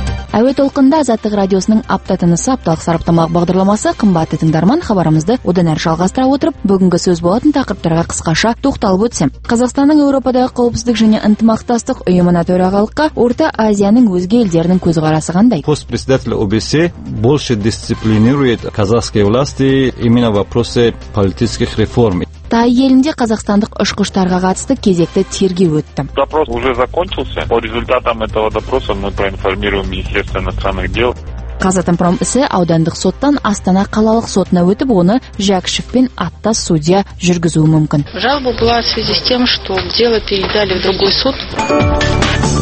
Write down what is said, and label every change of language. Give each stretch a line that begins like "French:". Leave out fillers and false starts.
Kazakh: Әуе толқында Азаттық радиосының аптатынысы апталық сараптамалық бағдарламасы қымбатты тыңдарман хабарымызды одан әрі жалғастыра отырып, бүгінгі сөз болатын тақырыптарға қысқаша тоқталып өтсем. Қазақстанның Еуропадағы қауіпсіздік және ынтымақтастық ұйымына төрағалыққа Орта Азияның өзге елдерінің көзқарасы қандай?
Russian: Госпредседатель ОБСЕ больше дисциплинирует казахские власти именно в вопросе политических реформ.
Kazakh: Тай елінде қазақстандық ұшқыштарға қатысты кезекті тергеу өтті.
Russian: Допрос уже закончился. По результатам этого допроса мы проинформируем Министерство иностранных дел.
Kazakh: Қазатомпром ісі аудандық соттан Астана қалалық сотына өтіп, оны Жәкішев пен аттас судья жүргізуі мүмкін.
Russian: Жалоба была в связи с тем, что дело передали в другой суд.